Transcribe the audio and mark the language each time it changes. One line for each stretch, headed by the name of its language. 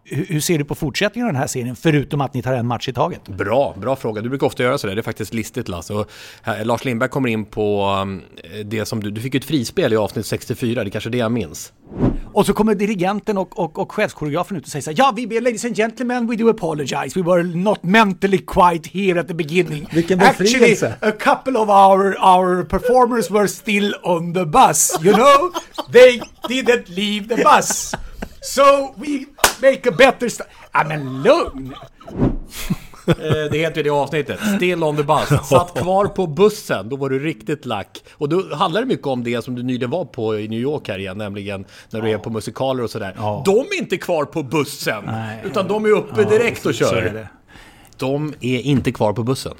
Swedish: Hur ser du på fortsättningen av den här serien förutom att ni tar en match i taget? Bra, bra fråga. Du brukar ofta göra så där. Det är faktiskt listigt, Lasse. Och här, Lars Lindberg kommer in på det som du fick ett frispel i avsnitt 64. Det kanske det jag minns. Och så kommer dirigenten och chefskoreografen ut och säger så här: ja, vi ber,
English: ladies and gentlemen, we do apologize. We were not mentally quite here at the beginning.
Swedish: Vilken befrielse.
English: Actually, a couple of our performers were still on the bus, you know? They didn't leave the bus. So we make a better start. I mean, lugn.
Swedish: Det heter ju det avsnittet,
English: still on the bus.
Swedish: Satt kvar på bussen, då var du riktigt lack. Och då handlar det mycket om det som du nyligen var på i New York här igen, nämligen när du är på musikaler och sådär. De är inte kvar på bussen. Nej. Utan de är uppe direkt och kör. De är inte kvar på bussen.